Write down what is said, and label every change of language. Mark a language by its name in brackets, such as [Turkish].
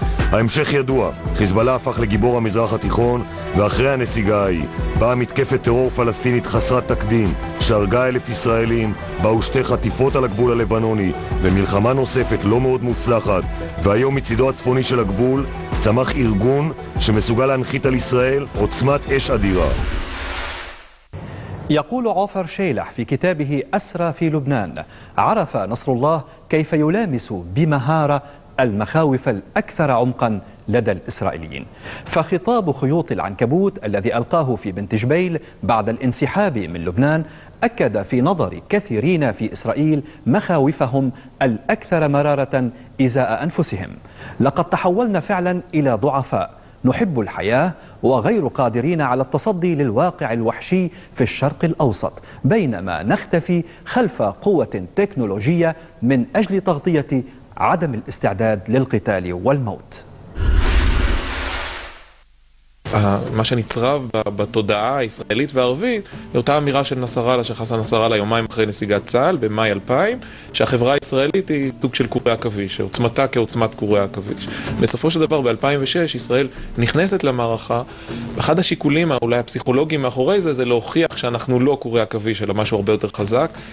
[Hebrew] ההמשך ידוע, חיזבאללה הפך לגיבור המזרח התיכון, ואחרי הנסיגה ההיא באה מתקפת טרור פלסטינית חסרת תקדים שהרגה 1,000 ישראלים, באו שתי חטיפות על הגבול הלבנוני ומלחמה נוספת לא מאוד מוצלחת, והיום מצידו הצפוני של הגבול צמח ארגון שמסוגל להנחית על ישראל עוצמת אש אדירה. [Arabic] يقول عوفر شيلح في كتابه أسرى في لبنان: عرف نصر الله كيف يلامس بمهارة المخاوف الأكثر عمقا لدى الإسرائيليين. فخطاب خيوط العنكبوت الذي ألقاه في بنت جبيل بعد الانسحاب من لبنان أكد في نظر كثيرين في إسرائيل مخاوفهم الأكثر مرارة إزاء أنفسهم. لقد تحولنا فعلا إلى ضعفاء نحب الحياة وغير قادرين على التصدي للواقع الوحشي في الشرق الأوسط، بينما نختفي خلف قوة تكنولوجية من أجل تغطية عدم الاستعداد للقتال والموت. [Hebrew] מה שנצרב בתודעה הישראלית והערבית, היא אותה אמירה של נסראללה, של חסן נסראללה, יומיים אחרי נסיגת צהל, במאי 2000, שהחברה הישראלית היא סוג של קורי עכביש, שעוצמתה כעוצמת קורי עכביש. בסופו של דבר, ב-2006, ישראל נכנסת למערכה, אחד השיקולים, אולי הפסיכולוגיים מאחורי זה, זה להוכיח שאנחנו לא קורי עכביש, אלא משהו הרבה יותר חזק.